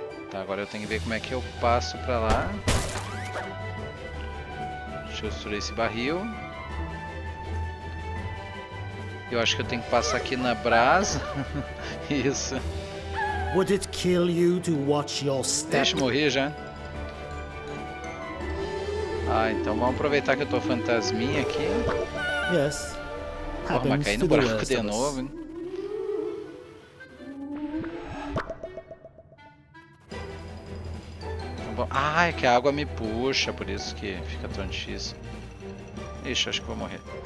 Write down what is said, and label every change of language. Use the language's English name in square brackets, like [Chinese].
[Portuguese] Tá, agora eu tenho que ver como é que eu passo pra lá. Deixa eu destruir esse barril. Eu acho que eu tenho que passar aqui na brasa. Isso. [English] Would it kill you to watch your step? [Portuguese] Deixa eu morrer já. Ah, então vamos aproveitar que eu tô fantasminha aqui. [English] Yes. [Portuguese] Vamos cair no buraco de novo, hein? Ah, é que a água me puxa, por isso que fica tão difícil. Ixi, acho que vou morrer.